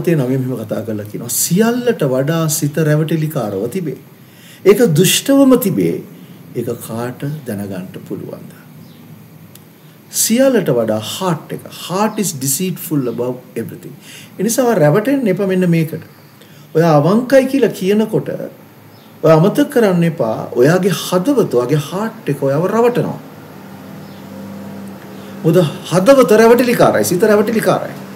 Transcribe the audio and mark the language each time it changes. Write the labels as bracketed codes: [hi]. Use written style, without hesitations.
[si] මෙහෙම කතා කරලා කියනවා, සියල්ලට වඩා සිත රැවටිලිකාරව තිබේ. ඒක දුෂ්ටවම තිබේ. ඒක කාට දැනගන්න පුළුවන්ද? සියල්ලට වඩා heart එක. [en] Heart is deceitful above everything. [si] එනිසා රැවටෙන්න එපා මෙන්න මේකට. ඔයා අවංකයි කියලා කියනකොට ඔයා අමතක කරන්න එපා, ඔයාගේ හදවත, ඔයාගේ heart එක ඔයාව රවටනවා. මොකද හදවත රැවටිලිකාරයි, සිත රැවටිලිකාරයි.